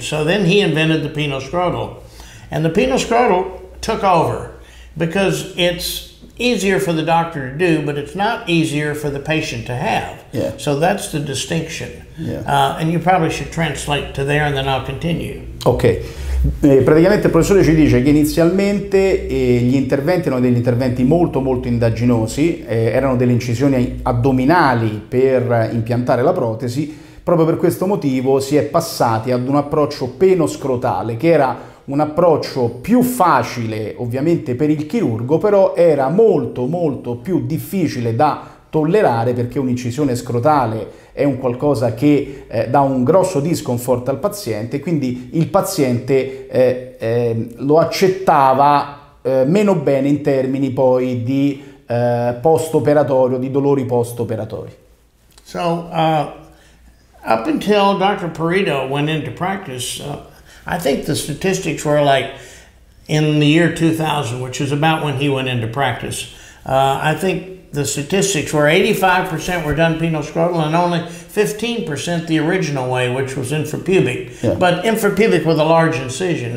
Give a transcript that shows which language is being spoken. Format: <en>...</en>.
<en>So then he invented the penoscrotal, and the penoscrotal took over because it's easier for the doctor to do, but it's not easier for the patient to have. So that's the distinction. And you probably should translate to there, and then I'll continue.</en> <it>Praticamente il professore ci dice che inizialmente gli interventi erano degli interventi molto molto indaginosi, erano delle incisioni addominali per impiantare la protesi. Proprio per questo motivo si è passati ad un approccio penoscrotale, che era un approccio più facile ovviamente per il chirurgo, però era molto molto più difficile da tollerare, perché un'incisione scrotale è un qualcosa che dà un grosso discomfort al paziente, quindi il paziente lo accettava meno bene in termini poi di post-operatorio, di dolori post-operatori.</it> <en>So, up until Dr. Perito went into practice, I think the statistics were like in the year 2000, which is about when he went into practice. I think the statistics were 85% were done penoscrotal and only 15% the original way, which was infrapubic, but infrapubic with a large incision.</en>